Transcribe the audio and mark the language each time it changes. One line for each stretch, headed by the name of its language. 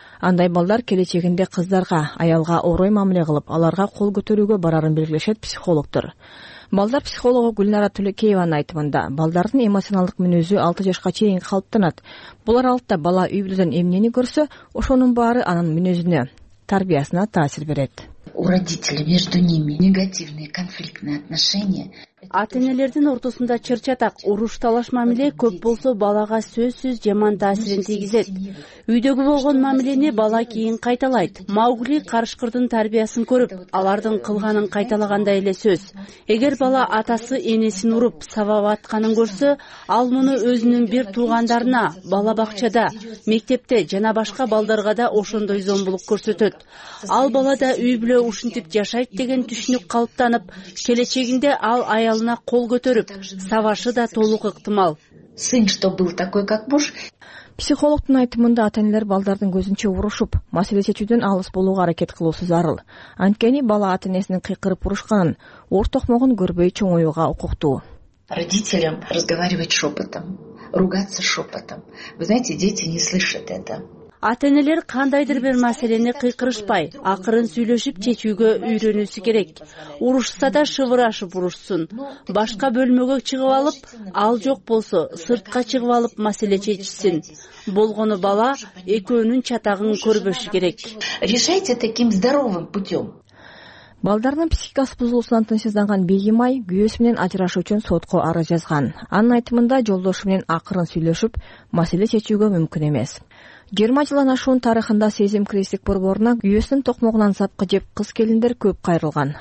Kyrgyz: Андай балдар келечегинде кыздарга, аялга орой мамиле кылып, аларга кол көтөрүүгө барарын белгилешет психологтор. Балдар психологу Гүлнара Түлекееванын айтымында, балдардын эмоционалдык мүнөзү 6 жашка чейин калыптанат. Бул аралыкта бала үй бүлөдөн эмнени көрсө, ошонун баары анын мүнөзүнө, тарбиясына таасир берет.
Russian: У родителей между ними негативные конфликтные отношения.
Kyrgyz: Ата-энелердин ортосунда чырчатак, уруш талаш мамиле көп болсо балага сөзсүз жаман таасирин тийгизет. Үйдөгү болгон мамилени бала кийин кайталайт. Маугли карышкырдын тарбиясын көрүп, алардын кылганын кайталагандай эле сөз. Эгер бала атасы энесин уруп, сабап атканын көрсө, ал муну өзүнүн бир туугандарына, бала бакчада, мектепте жана башка балдарга да ошондой зомбулук көрсөтөт. Ал балада үй бүлө ушинтип жашайт деген түшүнүк калыптанып, келечегинде ал аялына кол көтөрүп, савашы да толук ыктымал.
Russian: Сын, что был такой, как муж?
Kyrgyz: Психологтун айтымында ата-энелер балдардын көзүнчө урушуп, маселе чечүүдөн алыс болууга аракет кылуусу зарыл. Анткени бала ата-энесинин кыйкырып урушканын, ортоок могун көрбөй чоңоюуга укуктуу.
Russian: Родителям разговаривать шепотом, ругаться шепотом. Вы знаете, дети не слышат это.
Kyrgyz: Ата-энелер кандайдыр бир маселени кыйкырышпай, акырын сүйлөшүп чечүүгө үйрөнүүсү керек. Урушса да шыбырашып урушсун. Башка бөлмөгө чыгып алып, ал жок болсо, сыртка чыгып алып маселе чечишсин. Болгону бала экөөнүн чатагын көрбөшү керек.
Russian: Решайте таким здоровым путём.
Kyrgyz: Балдардын психикасы бузулуусунан тынчсызданган Бегимай күйөөсү менен ажырашуу үчүн сотко арыз жазган. Анын айтымында жолдошу менен акырын сүйлөшүп, маселе чечүүгө мүмкүн эмес. 20 жылдан ашуун тарыхында сезим кризистик борборуна күйөөсүн токмогунан сапкы жеп кыз келиндер көп кайрылган.